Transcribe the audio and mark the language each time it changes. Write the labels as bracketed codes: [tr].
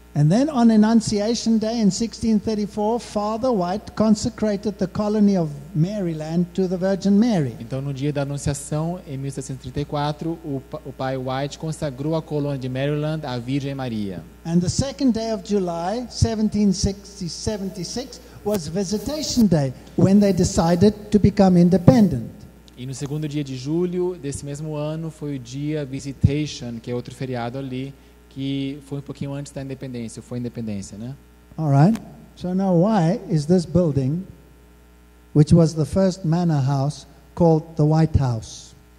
[en] And then on Annunciation Day in 1634, Father White consecrated the colony of Maryland to the Virgin Mary. [pt] Então, no dia da Anunciação, em 1634, o pai White consagrou a colônia de Maryland à Virgem Maria. [en] And the second day of July, 1776, was Visitation Day, when they decided to become independent. [pt] E no segundo dia de julho desse mesmo ano foi o dia Visitation, que é outro feriado ali, que foi um pouquinho antes da independência, foi a independência, né? [en] All right. So now why is this building, which was the first manor house, called the White House?